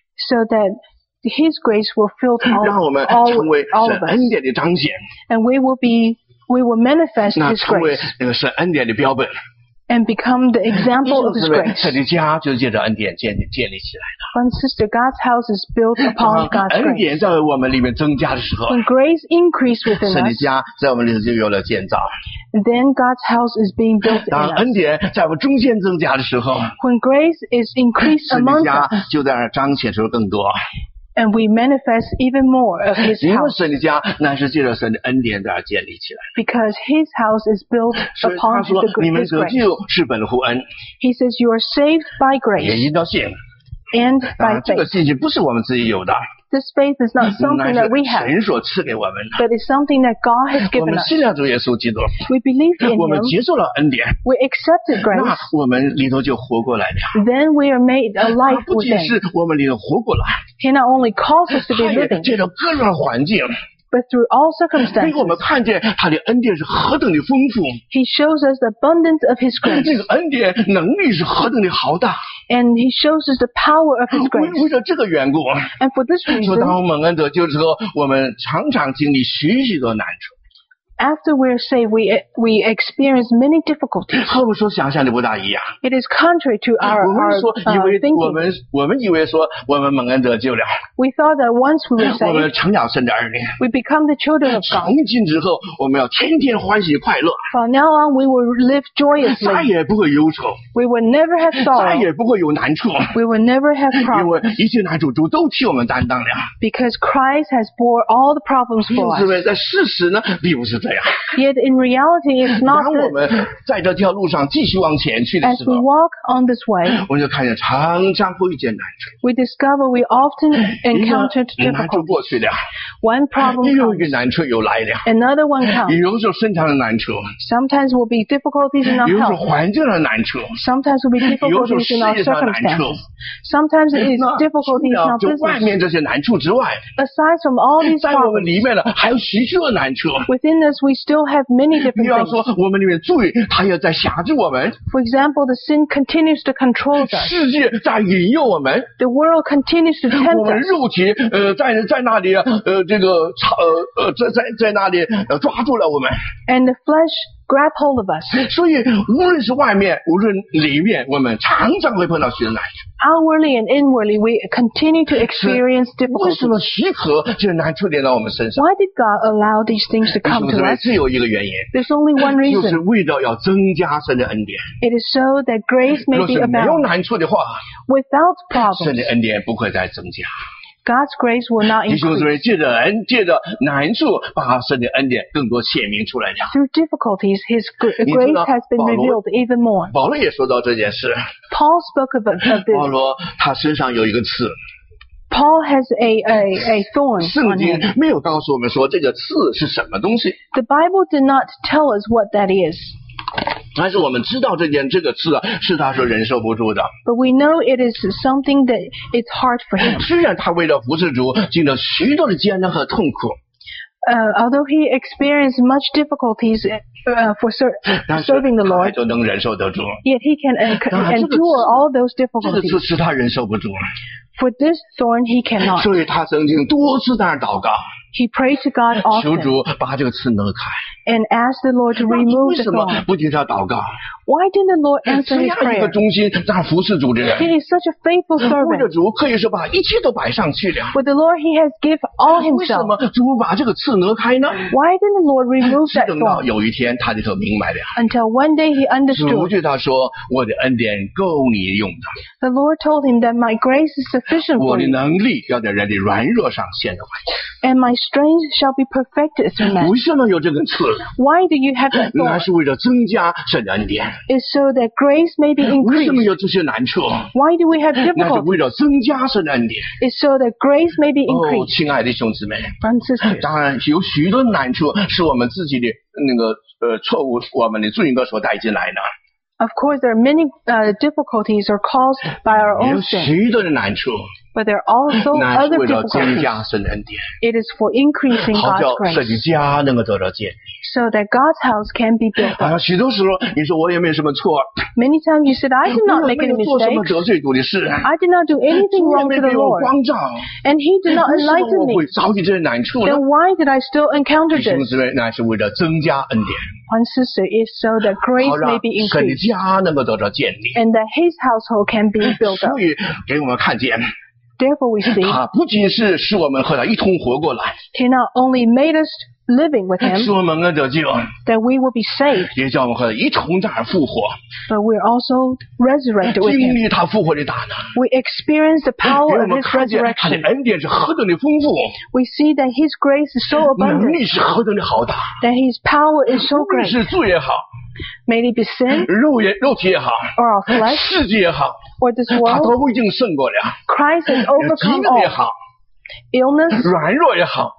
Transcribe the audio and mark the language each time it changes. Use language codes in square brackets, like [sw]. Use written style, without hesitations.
[en] So that His grace will fill all of us [zh] 让我们成为神恩典的彰显 [en] And we will manifest His grace [zh] 那成为那个神恩典的标本 [en] And become the example of His grace [zh] 神的家就是借着恩典建立起来 [en] When Sister God's house is built upon God's grace, [zh] 恩典在我们里面增加的时候 [en] ，when grace increased within us, [zh] 神的家在我们里头就有了建造。 [en] Then God's house is being built. [zh] 当恩典在我们中间增加的时候 [en] ，when grace is increased among us, [zh] 神的家就在那彰显出更多。 [en] And we manifest even more of His house. [zh] 因为神的家乃是借着神的恩典在那建立起来。 [en] Because His house is built upon His grace. [zh] 所以他说，你们得救是本乎恩。 [en] He says you are saved by grace. [zh] 也因着信。 [en] And by faith. [zh] 这个信心不是我们自己有的。 [en] This faith is not something that we have. [zh] 神所赐给我们的。 [en] But it's something that God has given us. [zh] 我们信了主耶稣基督。 [en] We believe in Him. [zh] 我们接受了恩典。 [en] We accepted grace. [zh] 那我们里头就活过来了。 [en] Then we are made alive within. [zh] 不仅是我们里头活过来。 [en] He not only calls us to be living. [zh] 借着各种环境。 [en] But through all circumstances, [zh] 给我们看见他的恩典是何等的丰富。 [en] He shows us the abundance of His grace. [zh] 那个恩典能力是何等的浩大。 [en] And He shows us the power of His grace. [zh] 为了这个缘故。 [en] And for this reason, [zh] 说当我们蒙恩得救之后，我们常常经历许许多难处。 [en] After we are saved, we experience many difficulties. [zh] 和我们所想象的不大一样。 [en] It is contrary to our thinking. [zh] 我们以为说我们蒙恩得救了。 [en] We thought that once we were saved, [zh] 我们成了神的儿女。 [en] We become the children of God. [zh] 从今之后，我们要天天欢喜快乐。 [en] From now on, we will live joyously. [zh] 再也不会忧愁。 [en] We will never have sorrow. [zh] 再也不会有难处。 [en] We will never have problems. [zh] 因为一切难处主都替我们担当了。 [en] Because Christ has bore all the problems for us. [zh] 因为在事实呢，并不是这样。 [en] Yet in reality, it's not. [zh] 当我们在这条路上继续往前去的时候 [en] ，As we walk on this way, [zh] 我们就看见常常会遇见难处。 [en] We discover we often encounter difficulties. [zh] 难处过去了 [en] ，One problem comes. [zh] 又一个难处又来了 [en] ，Another one comes. [zh] 有时候身上的难处 [en] ，Sometimes will be difficulties in our health. [zh] 有时候环境的难处 [en] ，Sometimes will be difficulties in our circumstances. Sometimes it is difficulties in our business. [zh] 除了外面这些难处之外 [en] ，Aside from all these problems, [zh] 在我们里面呢还有许许多难处。 [en] Within this we still have many different things. [zh] 比方说我们里面罪它也在辖制我们。 [en] For example, the sin continues to control us. [zh] 世界在引诱我们。 [en] The world continues to tempt us. [zh] 我们肉体在那里这个在那里抓住了我们。 [en] And the flesh grab hold of us. [zh] 所以无论是外面无论里面我们常常会碰到许多难处。 [en] Outwardly and inwardly, we continue to experience difficulties. [zh] 为什么许可这些难处临到我们身上 [en] ？Why did God allow these things to come to us? [zh] 只有一个原因。 [en] There's only one reason. [zh] 就是为了要增加神的恩典。 [en] It is so that grace may be abounded. [zh] 若是没有难处的话 [en] ，without problems, [zh] 神的恩典不会再增加。 [en] God's grace will not increase. [zh] 弟兄姊妹，借着难处，把神的恩典更多显明出来了。 [en] Through difficulties, His grace has been revealed even more. [zh] 保罗也说到这件事。 [en] Paul spoke about this. [zh] 保罗他身上有一个刺。 [en] Paul has a thorn. [zh] 圣经没有告诉我们说这个刺是什么东西。 [en] The Bible did not tell us what that is. [zh] 但是我们知道这个刺啊，是他说忍受不住的。 [en] But we know it is something that it's hard for him. [zh] 虽然他为了服侍主，经历了许多的艰难和痛苦。 [en] Although he experienced much difficulties serving the Lord, [zh] 他就能忍受得住。 [en] Yet he can endure all those difficulties. [zh] 这个刺使他忍受不住。 [en] For this thorn he cannot. [zh] 所以他曾经多次在那祷告。 [en] He prayed to God often. [zh] 求主把这个刺挪开。 [en] And asked the Lord to remove the thorn. [zh] 为什么不听他祷告？ [en] Why didn't the Lord answer his prayer? [zh] 这样一个忠心让服侍主的人 [en] ，He is such a faithful servant. [zh] 为了主，可以说把一切都摆上去了。 [en] With the Lord, he has given all himself. [zh] 为什么主把这个刺挪开呢 [en] ？Why didn't the Lord remove that thorn? [zh] 直到有一天，他就明白了。 [en] Until one day he understood. [zh] 主对他说：“我的恩典够你用的。 [en] ”The Lord told him that my grace is sufficient for you. [zh] 我的能力要在人的软弱上显得完全。 [en] And my strength shall be perfected through man. [zh] 为什么有这根刺 [en] ？Why do you have that thorn? [zh] 那是为了增加神的恩典。 [en] Is so that grace may be increased. [zh] 为什么有这些难处 [en] ？Why do we have difficulty? [zh] 那是为了增加神的恩典。 [en] Is so that grace may be increased. [zh] 哦，亲爱的弟兄姊妹 [en] ，Friends, [zh] 当然有许多难处是我们自己的那个错误，我们的罪恶所带进来的。 [en] Of course, there are many difficulties are caused by our own sin. [zh] 有许多的难处。 [en] But there are also other difficulties. [zh] 那是为了增加神的恩典。 [en] It is for increasing God's grace. [zh] 好叫神的家能够得到建立。 [en] So that God's house can be built. [zh] 啊，许多时候你说我也没什么错。 [en] Many times you said I did not make any mistakes. [zh] 我没有做什么得罪主的事。 [en] I did not do anything wrong to the Lord. [zh] 没有光照。 [en] And He did not enlighten me. [zh] 为什么我会遭遇这些难处呢 [en] ？Then why did I still encounter this? [zh] 弟兄姊妹，那是为了增加恩典。 [en] One sister is so that grace may be increased. [zh] 好让神的家能够得到建立。 [en] And that His household can be built up. [zh] 所以给我们看见。 [en] Therefore, we see. [zh] 他不仅是使我们和他一同活过来。 [en] He not only made us living with him. [zh] 使我们得救。 [en] That we will be saved. [zh] 也叫我们和他一同在那复活。 [en] But we are also resurrected with him. [zh] 经历他复活的大能。 [en] We experience the power of his resurrection. [zh] 他的恩典是何等的丰富。 [en] We see that his grace is so abundant. [zh] 能力是何等的浩大。 [en] That his power is so great. [zh] 是罪也好。 [en] May it be sin. [zh] 肉体也好。 [en] Or our flesh. [zh] 世界也好。 [en] Or this world, [zh] 他都已经胜过了。 [en] Christ has overcome all. [zh] 疾病也好 [en] ，illness, [zh] 软弱也好